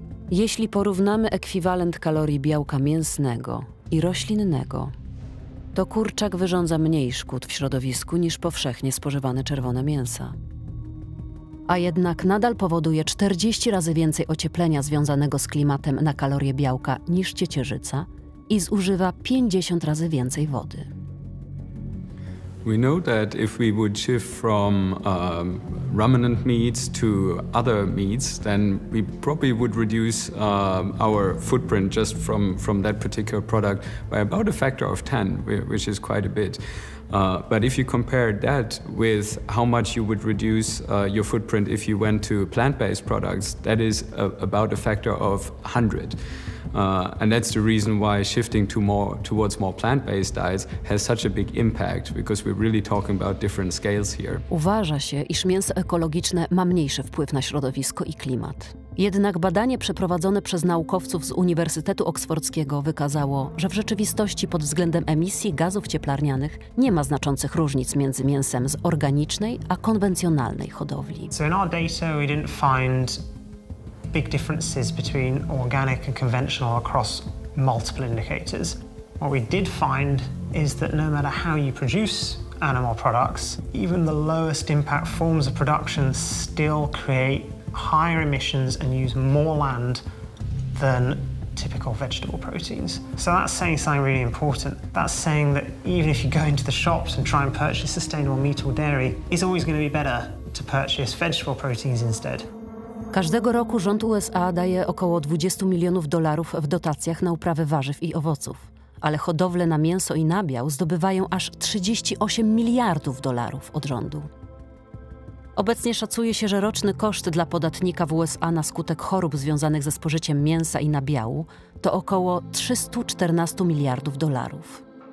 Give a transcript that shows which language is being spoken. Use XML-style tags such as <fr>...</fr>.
<pl>Jeśli porównamy ekwiwalent kalorii białka mięsnego i roślinnego, to kurczak wyrządza mniej szkód w środowisku niż powszechnie spożywane czerwone mięso. A jednak nadal powoduje 40 razy więcej ocieplenia związanego z klimatem na kalorie białka niż ciecierzyca i zużywa 50 razy więcej wody.</pl> <en>We know that if we would shift from ruminant meats to other meats, then we probably would reduce our footprint just from that particular product by about a factor of 10, which is quite a bit. But if you compare that with how much you would reduce your footprint if you went to plant-based products, that is about a factor of 100. And that's the reason why shifting towards more plant-based diets has such a big impact, because we're really talking about different scales here.</en> <pl>Uważa się, iż mięso ekologiczne ma mniejszy wpływ na środowisko i klimat. Jednak badanie przeprowadzone przez naukowców z Uniwersytetu Oksfordzkiego wykazało, że w rzeczywistości pod względem emisji gazów cieplarnianych nie ma znaczących różnic między mięsem z organicznej a konwencjonalnej hodowli.</pl> <en>So in our data we didn't find big differences between organic and conventional across multiple indicators. What we did find is that no matter how you produce animal products, even the lowest impact forms of production still create higher emissions and use more land than typical vegetable proteins. So that's saying something really important. That's saying that even if you go into the shops and try and purchase sustainable meat or dairy, it's always going to be better to purchase vegetable proteins instead.</en> <pl>Każdego roku rząd USA daje około 20 milionów dolarów w dotacjach na uprawę warzyw i owoców. Ale hodowle na mięso i nabiał zdobywają aż 38 miliardów dolarów od rządu. Obecnie szacuje się, że roczny koszt dla podatnika w USA na skutek chorób związanych ze spożyciem mięsa i nabiału to około 314 miliardów dolarów.</pl>